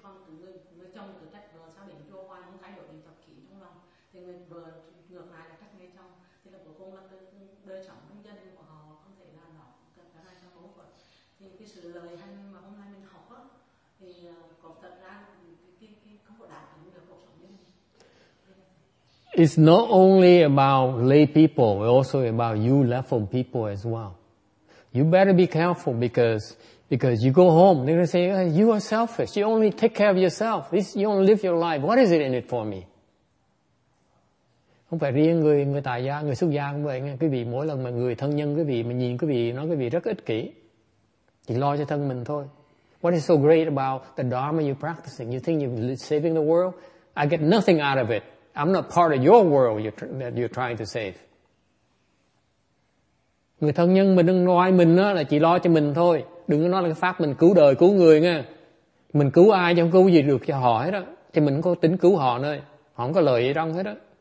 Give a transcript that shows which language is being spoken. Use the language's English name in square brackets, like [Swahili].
[Vietnamese] Chứ con cứ người chồng cứ trách vợ sao đến chùa hoài không thay đổi được tập khí trong lòng, thì người vợ ngược lại là trách người chồng, thì là cuối cùng là đời sống trong gia đình của họ không thể là nó cần cái này cho bố phận. Thì cái sự lời hay mà hôm nay mình học á, thì có thật ra cái không có đạt được cuộc sống như thế. [English] It's not only about lay people, it's also about you level people as well. You better be careful because you go home, they're going to say, hey, you are selfish. You only take care of yourself. You only live your life. What is it in it for me? [Vietnamese] Không phải riêng người tài gia, người xuất gia cũng vậy. Quý vị, mỗi lần mà người thân nhân quý vị, mà nhìn quý vị, nói quý vị rất ích kỷ. Chỉ lo cho thân mình thôi. [English] What is so great about the Dharma you're practicing? You think you're saving the world? I get nothing out of it. I'm not part of your world that you're trying to save. [Vietnamese] Người thân nhân mình đừng nói mình đó là chỉ lo cho mình thôi. Đừng có nói là cái pháp mình cứu đời, cứu người nha. Mình cứu ai chứ không cứu gì được cho họ hết đó. Thì mình không có tính cứu họ nơi. Họ không có lời gì trong hết đó.